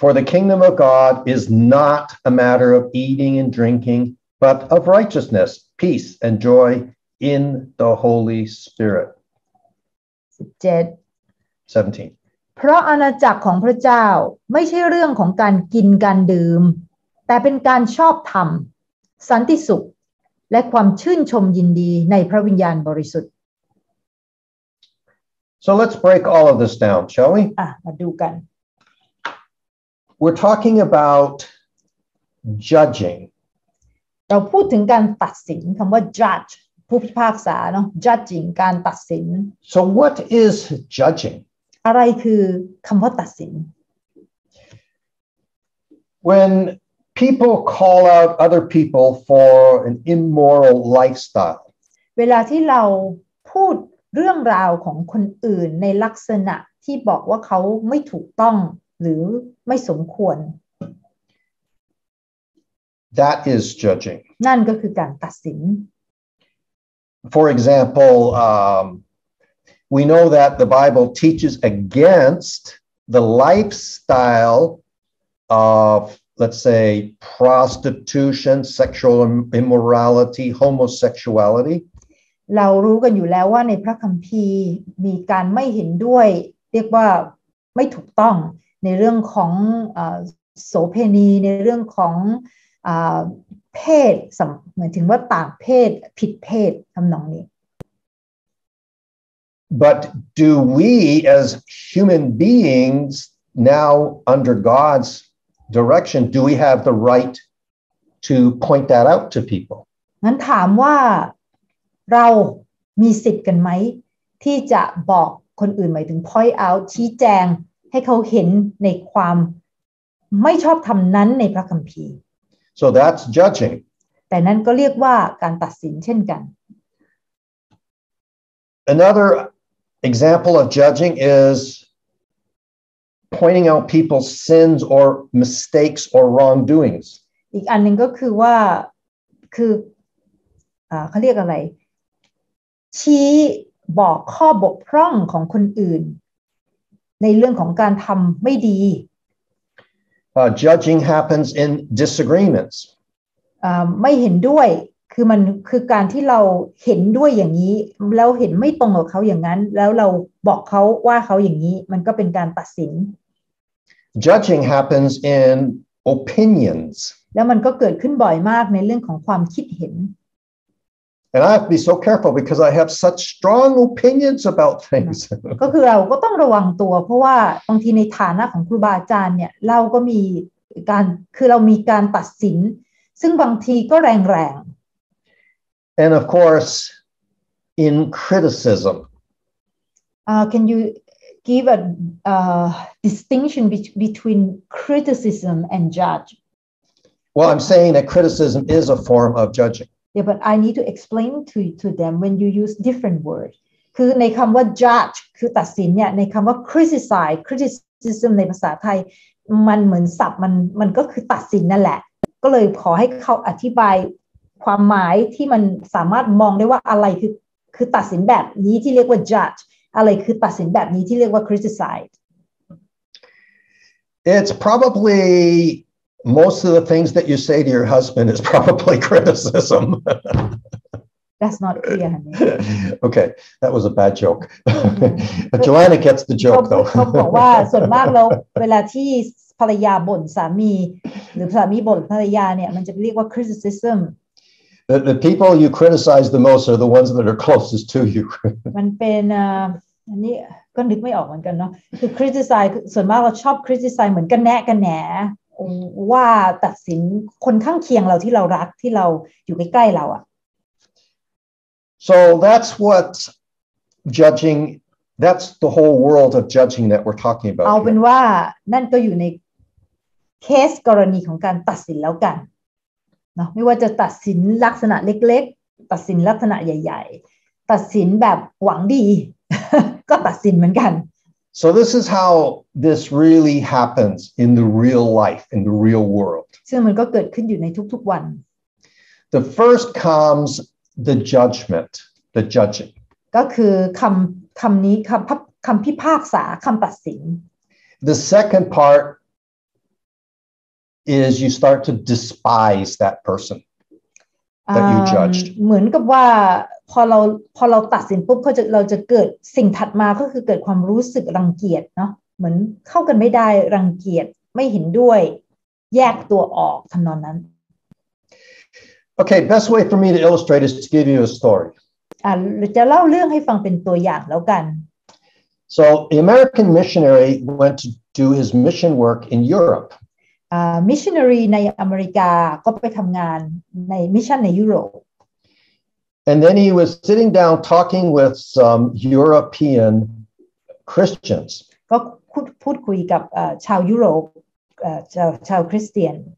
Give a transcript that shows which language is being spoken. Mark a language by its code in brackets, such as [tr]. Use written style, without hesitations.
[en] For the kingdom of God is not a matter of eating and drinking but of righteousness peace and joy in the Holy Spirit 17 17 [th] เพราะอาณาจักรของพระเจ้าไม่ใช่เรื่องของการกินการดื่มแต่เป็นการชอบธรรมสันติสุขและความชื่นชมยินดีในพระวิญญาณบริสุทธิ์ [en] So let's break all of this down, shall we? [th] มาดูกัน [en] We're talking about judging. [th] เราพูดถึงการตัดสินคำว่า judge ผู้พิพากษาเนาะ judging การตัดสิน [en] So what is judging? [th] อะไรคือคำว่าตัดสิน [en] When people call out other people for an immoral lifestyle. [th] เวลาที่เราพูดเรื่องราวของคนอื่นในลักษณะที่บอกว่าเขาไม่ถูกต้องหรือไม่สมควร [en] That is judging. [th] นั่นก็คือการตัดสิน [en] For example, we know that the Bible teaches against the lifestyle of, let's say, prostitution, sexual immorality, homosexuality. [th] เรารู้กันอยู่แล้วว่าในพระคัมภีร์มีการไม่เห็นด้วยเรียกว่าไม่ถูกต้องในเรื่องของโสเภณีในเรื่องของเพศสมหมายถึงว่าต่างเพศผิดเพศทำนองนี้ [en] But do we as human beings now under God's direction do we have the right to point that out to people [th] งั้นถามว่าเรามีสิทธิ์กันไหมที่จะบอกคนอื่นหมายถึง [en] point out [th] ชี้แจงให้เขาเห็นในความไม่ชอบธรรมนั้นในพระคัมภีร์ [en] So that's judging [th] แต่นั้นก็เรียกว่าการตัดสินเช่นกัน [en] Another example of judging is pointing out people's sins or mistakes or wrongdoings [th] อีกอันนึงก็คือว่าคือเขาเรียกอะไรชี้บอกข้อบกพร่องของคนอื่นในเรื่องของการทำไม่ดี [en] judging happens in disagreements [th] ไม่เห็นด้วยคือมันคือการที่เราเห็นด้วยอย่างนี้แล้วเห็นไม่ตรงกับเขาอย่างนั้นแล้วเราบอกเขาว่าเขาอย่างนี้มันก็เป็นการตัดสิน [en] judging happens in opinions [th] แล้วมันก็เกิดขึ้นบ่อยมากในเรื่องของความคิดเห็น [en] And I have to be so careful because I have such strong opinions about things. [th] ก็คือเราก็ต้องระวังตัวเพราะว่าบางทีในฐานะของครูบาอาจารย์เนี่ยเราก็มีการคือเรามีการตัดสินซึ่งบางทีก็แรงๆ [en] And of course, in criticism. Can you give a distinction between criticism and judge? Well, I'm saying that criticism is a form of judging. Yeah, but I need to explain to them when you use different words. [th] คือในคำว่า judge คือตัดสินเนี่ยในคำว่า criticism ในภาษาไทยมันเหมือนศัพท์มันก็คือตัดสินนั่นแหละก็เลยขอให้เขาอธิบายความหมายที่มันสามารถมองได้ว่าอะไรคือตัดสินแบบนี้ที่เรียกว่า judge อะไรคือตัดสินแบบนี้ที่เรียกว่า criticize [en] It's probablymost of the things that you say to your husband is probably criticism that's not clear honey. okay that was a bad joke but Joanna gets the joke though [th] เขาบอกว่าส่วนมากแล้วเวลาที่ภรรยาบ่นสามีหรือสามีบ่นภรรยาเนี่ยมันจะเรียกว่า criticism [en] the people you criticize the most are the ones that are closest to you [th] มันเป็นอันนี้ก็นึกไม่ออกเหมือนกันเนาะคือ criticize ส่วนมากเราชอบ criticize เหมือนกันแนะกันแหนว่าตัดสินคนข้างเคียงเราที่เรารักที่เราอยู่ใกล้ๆเราอะ [en] so that's what judgingThat's the whole world of judging that we're talking about. [th] เอาเป็นว่านั่นก็อยู่ในเคสกรณีของการตัดสินแล้วกันเนาะไม่ว่าจะตัดสินลักษณะเล็กๆตัดสินลักษณะใหญ่ๆตัดสินแบบหวังดีก็ตัดสินเหมือนกัน [en] So this is how this really happens in the real life in the real world. [th] ซึ่งมันก็เกิดขึ้นอยู่ในทุกๆวัน [en] The first comes the judgment, the judging. [th] ก็คือคำนี้คำพิพากษาคำตัดสิน [en] The second part is you start to despise that person that you judged [th] เหมือนกับว่าพอเราตัดสินปุ๊บเราจะเกิดสิ่งถัดมาก็คือเกิดความรู้สึกรังเกียจเนาะเหมือนเข้ากันไม่ได้รังเกียจไม่เห็นด้วยแยกตัวออกทำนองนั้น [en] Okay best way for me to illustrate is to give you a story [th] จะเล่าเรื่องให้ฟังเป็นตัวอย่างแล้วกัน [en] So the American missionary went to do his mission work in Europe. [th] Missionary ในอเมริกาก็ไปทำงานในมิชชั่นในยุโรป [en] And then he was sitting down talking with some European Christians. [th] ก็พูดคุยกับชาวยุโรปชาวคริสเตียน